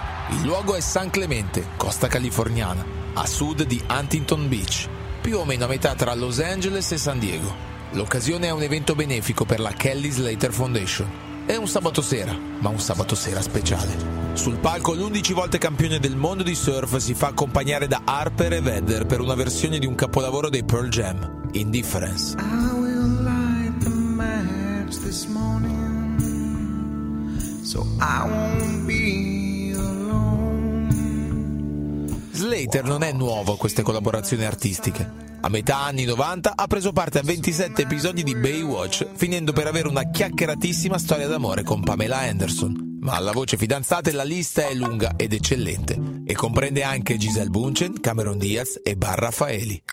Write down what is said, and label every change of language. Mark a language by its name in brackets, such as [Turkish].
[Italian] Il luogo è San Clemente, costa californiana, a sud di Huntington Beach, più o meno a metà tra Los Angeles e San Diego. L'occasione è un evento benefico per la Kelly Slater Foundation. È un sabato sera, ma un sabato sera speciale. Sul palco l'11 volte campione del mondo di surf si fa accompagnare da Harper e Vedder per una versione di un capolavoro dei Pearl Jam, Indifference. [English] I will light the match this morning, so I won't be alone. [Italian] Slater non è nuovo a queste collaborazioni artistiche. A metà anni 90 ha preso parte a 27 episodi di Baywatch, finendo per avere una chiacchieratissima storia d'amore con Pamela Anderson. Ma alla voce fidanzate la lista è lunga ed eccellente e comprende anche Gisele Bündchen, Cameron Diaz e Bar Raffaeli.